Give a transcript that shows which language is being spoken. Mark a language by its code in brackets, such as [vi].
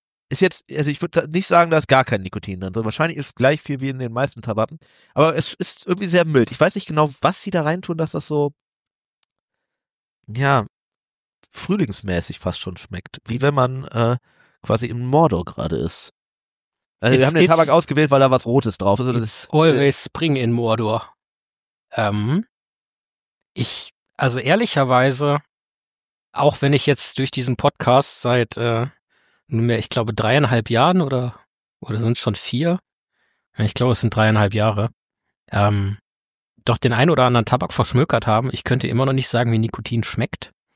[de] Ist jetzt, also ich würde nicht sagen, da ist gar kein Nikotin drin. Also wahrscheinlich ist es gleich viel wie in den meisten Tabaken. Aber es ist irgendwie sehr mild. Ich weiß nicht genau, was sie da reintun, dass das so, ja, frühlingsmäßig fast schon schmeckt. Wie wenn man quasi im Mordor gerade ist. Also wir haben den Tabak ausgewählt, weil da was Rotes drauf ist. [en] It's always spring in Mordor. [de] Ich, also ehrlicherweise, auch wenn ich jetzt durch diesen Podcast seit nunmehr, ich glaube, 3,5 Jahren oder sind es schon 4? Ich glaube, es sind 3,5 Jahre. Doch den ein oder anderen Tabak verschmökert haben, ich könnte immer noch nicht sagen, wie Nikotin schmeckt.